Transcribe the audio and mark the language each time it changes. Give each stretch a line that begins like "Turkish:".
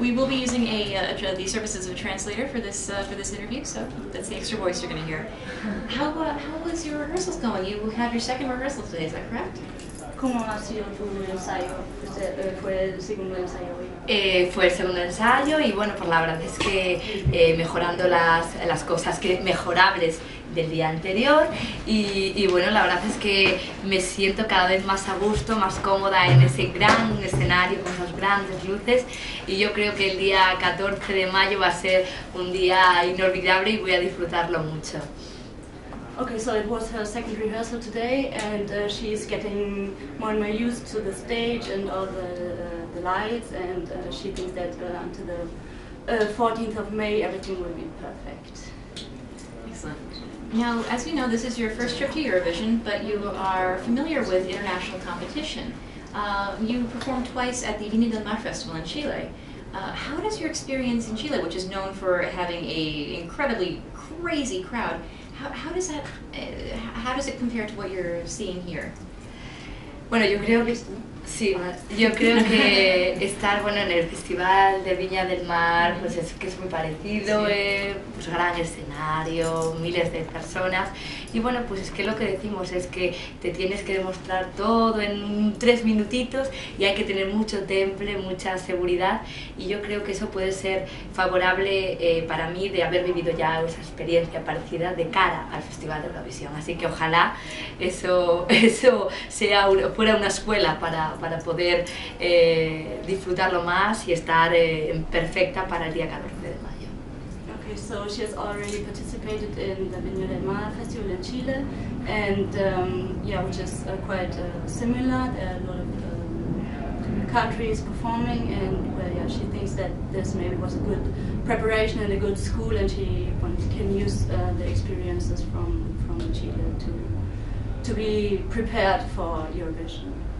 English: We will be using the services of a translator for this interview, so that's the extra voice you're going to hear. How was your rehearsals going? You have your second rehearsal today, is that correct?
Spanish: ¿Cómo ha sido tu ensayo? Fue el segundo ensayo y bueno, por la verdad es que mejorando las cosas que mejorables del día anterior y bueno, la verdad es que me siento cada vez más a gusto, más cómoda en ese gran escenario con esas grandes luces y yo creo que el día 14 de mayo va a ser un día inolvidable y voy a disfrutarlo mucho.
English: Okay, so it was her second rehearsal today, and she's getting more and more used to the stage and all the lights, and she thinks that until the 14th of May everything will be perfect. Excellent. Now, as you know, this is your first trip to Eurovision, but you are familiar with international competition. You performed twice at the Viña del Mar Festival in Chile. How does your experience in Chile, which is known for having an incredibly crazy crowd, How does it compare to what you're seeing here?
Spanish: Bueno, yo creo que sí. Yo creo que estar bueno en el festival de Viña del Mar, pues es que es muy parecido, sí. Pues gran escenario, miles de personas. Y bueno, pues es que lo que decimos es que te tienes que demostrar todo en 3 minutitos y hay que tener mucho temple, mucha seguridad. Y yo creo que eso puede ser favorable para mí de haber vivido ya esa experiencia parecida de cara al Festival de Eurovisión. Así que ojalá eso sea fuera una escuela para poder disfrutarlo más y estar en perfecta para el día 14 de mayo.
English: So she has already participated in the Viña del Mar Festival in Chile, and which is quite similar. There are a lot of countries performing, and well, yeah, she thinks that this maybe was a good preparation and a good school, and she can use the experiences from Chile to be prepared for Eurovision.